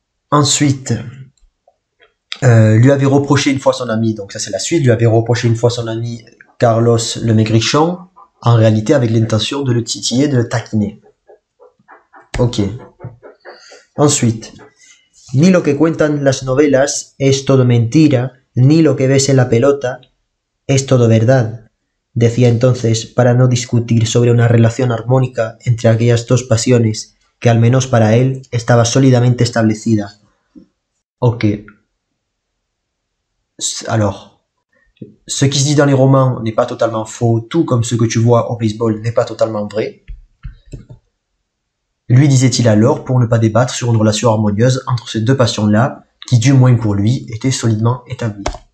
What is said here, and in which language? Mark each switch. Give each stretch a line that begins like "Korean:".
French: Ensuite. Lui avait reproché une fois son ami, donc ça c'est la suite, lui avait reproché une fois son ami Carlos le maigrichon, en réalité avec l'intention de le titiller, de le taquiner. Ok. Ensuite.
Spanish: Ni lo que cuentan las novelas es todo mentira, ni lo que ves en la pelota es todo verdad, decía entonces, para no discutir sobre una relación armónica entre aquellas dos pasiones, que al menos para él estaba sólidamente establecida. Ok.
French: Alors, ce qui se dit dans les romans n'est pas totalement faux, tout comme ce que tu vois au baseball n'est pas totalement vrai. Lui disait-il alors, pour ne pas débattre sur une relation harmonieuse entre ces deux passions-là, qui du moins pour lui, étaient solidement établies.